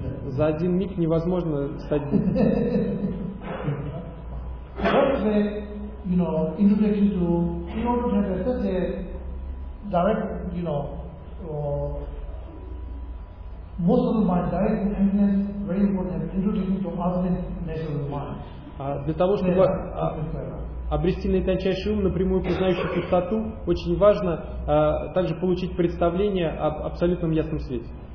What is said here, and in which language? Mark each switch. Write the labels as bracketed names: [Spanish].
[Russian] За один миг невозможно стать Буддой. [English] You know, introduction to, you know, to have such a direct, you know, most of the mind, direct emptiness, very important, introduction to ultimate natural mind. [Russian] Для того, чтобы обрести наитончайший ум, напрямую познающий пустоту, очень важно также получить представление об абсолютном ясном свете.